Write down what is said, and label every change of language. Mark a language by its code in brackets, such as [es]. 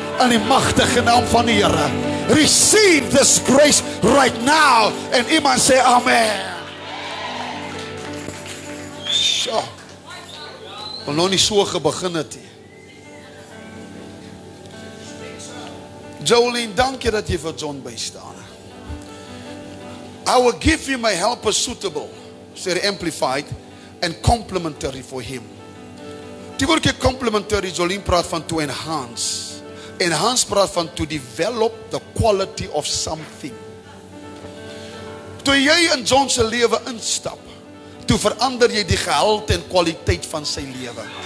[af] In die magtige naam van die Here. Receive this grace right now. En iemand sê amen. So. Ek nog nie so gebegin het nie. Jolene, dankie dat jy vir John bystaan. [en] I will give you my helper suitable, sê die amplified, and complimentary for him. [af] Die woordjie complimentary, Jolene praat van to enhance. [en] Enhance praat van to develop the quality of something. [af] toe jy in John se lewe instap, toe verander jy die gehalte en kwaliteit van sy lewe.